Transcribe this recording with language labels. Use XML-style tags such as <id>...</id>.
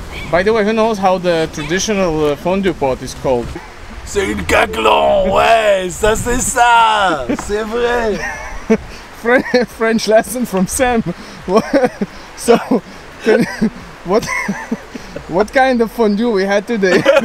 <en>By the way, who knows how the traditional fondue pot is called?</en> <fr>C'est une Caquelon, ouais, ça c'est ça, c'est vrai.</fr> <en>French lesson from Sam. So, what kind of fondue we had today?</en>